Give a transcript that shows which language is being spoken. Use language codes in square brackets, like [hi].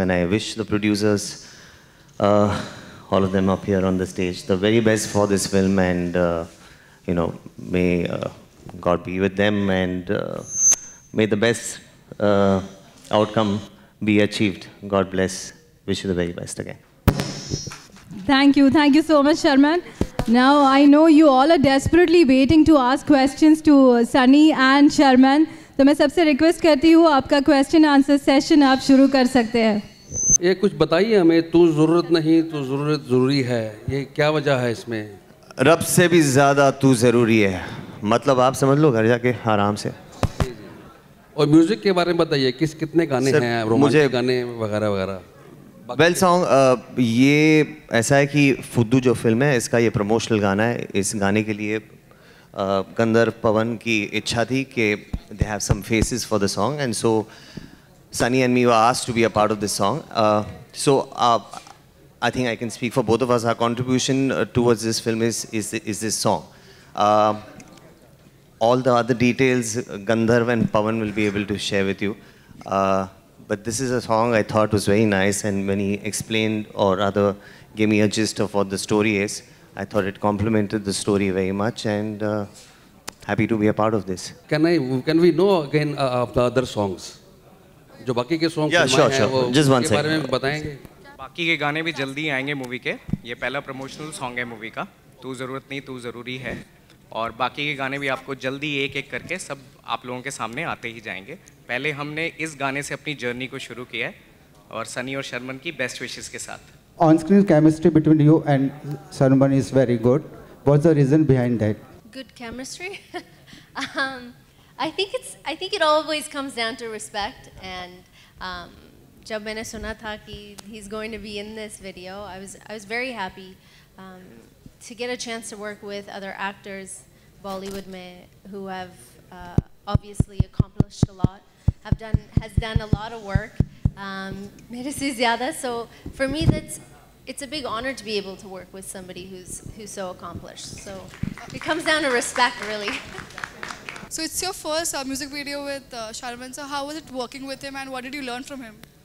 [en] And I wish the producers, all of them up here on the stage, the very best for this film, and you know, may God be with them, and may the best outcome be achieved. God bless. Wish you the very best again. Thank you so much, Sharman. Now I know you all are desperately waiting to ask questions to Sunny and Sharman. [hi] So main sabse request karti hu, aapka question answer session aap shuru kar sakte hain. ये कुछ बताइए हमें, तू जरूरत नहीं तो जरूरत जरूरी है, ये क्या वजह है इसमें? रब से भी ज्यादा तू जरूरी है, मतलब आप समझ लो घर जाके आराम से. और म्यूजिक के बारे में बताइए, किस कितने गाने हैं, रोमांटिक गाने वगैरह वगैरह? वेल सॉन्ग, ये ऐसा है कि फुद्दू जो फिल्म है इसका ये प्रमोशनल गाना है. इस गाने के लिए गंदर पवन की इच्छा थी कि [en] They have some faces for the song, and so Sunny and me were asked to be a part of this song. I think I can speak for both of us. Our contribution towards this film is this song. All the other details Gandharv and Pawan will be able to share with you. But this is a song I thought was very nice, and when he explained, or rather gave me a gist of what the story is, I thought it complemented the story very much, and happy to be a part of this. Can we know again of the other songs? [hi] जो बाकी के song हैं वो बारे में बताएंगे? बाकी के गाने भी जल्दी आएंगे मूवी के. ये पहला प्रमोशनल सॉन्ग है मूवी का, तू जरूरत नहीं तू जरूरी है. और बाकी के गाने भी आपको जल्दी एक एक करके सब आप लोगों के सामने आते ही जाएंगे. पहले हमने इस गाने से अपनी जर्नी को शुरू किया है, और सनी और शर्मन की बेस्ट विशेस के साथ. [en] On screen chemistry between you and Sharman is very good. What's the reason behind that good chemistry? I think it always comes down to respect. And [hi] जब मैंने सुना था कि [en] he is going to be in this video, I was very happy to get a chance to work with other actors Bollywood में who have obviously accomplished a lot, has done a lot of work, [hi] mere se zyada. [en] So for me it's a big honor to be able to work with somebody who's so accomplished. So it comes down to respect, really. So it's your first music video with Sharman. So how was it working with him, and what did you learn from him?